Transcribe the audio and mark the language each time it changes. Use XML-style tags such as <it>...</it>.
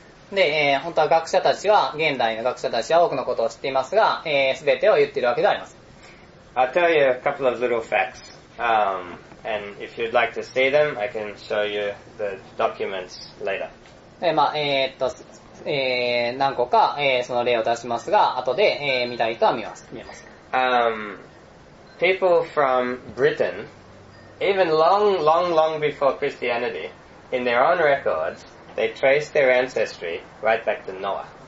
<ja>で、本当は学者たちは、現代の学者たちは多くのことを知っていますが、すべてを言っているわけではありません。</ja> <en>I'll tell you a couple of little facts, and if you'd like to see them, I can show you the documents later.</en> <ja>え、まあ、何個か、その例を出しますが、後で、見たい人は見ます。見えます。</ja> <en>People from Britain, even long, long, long before Christianity, in their own records, they trace their ancestry right back to Noah.</en>